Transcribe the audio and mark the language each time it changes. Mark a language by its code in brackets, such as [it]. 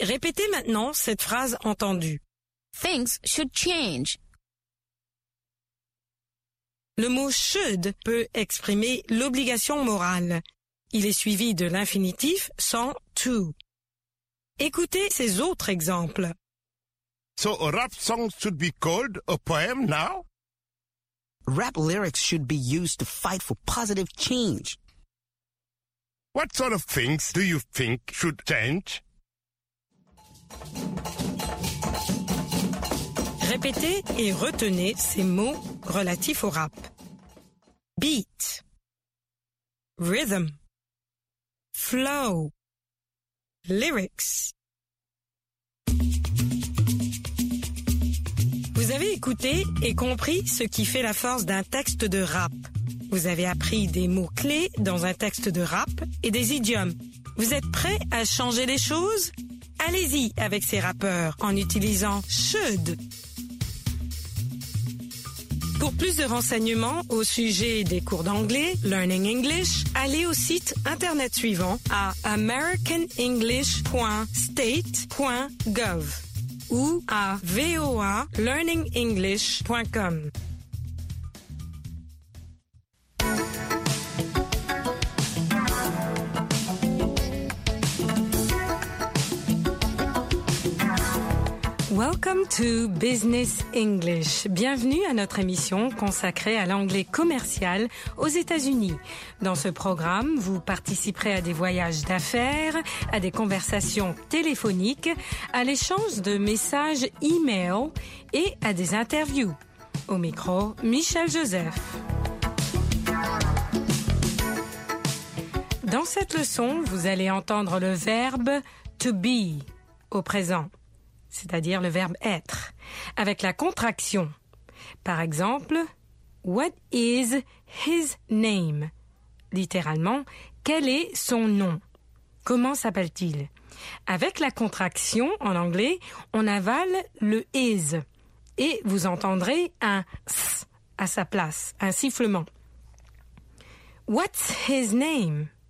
[fr] Répétez maintenant cette phrase entendue. [en] Things should change. [fr] Le mot should peut exprimer l'obligation morale. Il est suivi de l'infinitif sans to. Écoutez ces autres exemples. [en] So a rap song should be called a poem now? Rap lyrics should be used to fight for positive change. What sort of things do you think should change? [fr] Répétez et retenez ces mots relatifs au rap. [en] Beat, rhythm, flow, lyrics. [fr] Vous avez écouté et compris ce qui fait la force d'un texte de rap. Vous avez appris des mots clés dans un texte de rap et des idiomes. Vous êtes prêt à changer les choses? Allez-y avec ces rappeurs en utilisant « should ». Pour plus de renseignements au sujet des cours d'anglais, Learning English, allez au site internet suivant à americanenglish.state.gov ou à voalearningenglish.com. [en] Welcome to Business English. [fr] Bienvenue à notre émission consacrée à l'anglais commercial aux États-Unis. Dans ce programme, vous participerez à des voyages d'affaires, à des conversations téléphoniques, à l'échange de messages e-mail et à des interviews. Au micro, Michel Joseph. Dans cette leçon, vous allez entendre le verbe to be au présent, c'est-à-dire le verbe « être », avec la contraction. Par exemple, [en] « What is his name ?» [fr] Littéralement, « Quel est son nom ?» Comment s'appelle-t-il ? Avec la contraction, en anglais, on avale le « is » et vous entendrez un « s » à sa place, un sifflement. [en] « What's his name ?»«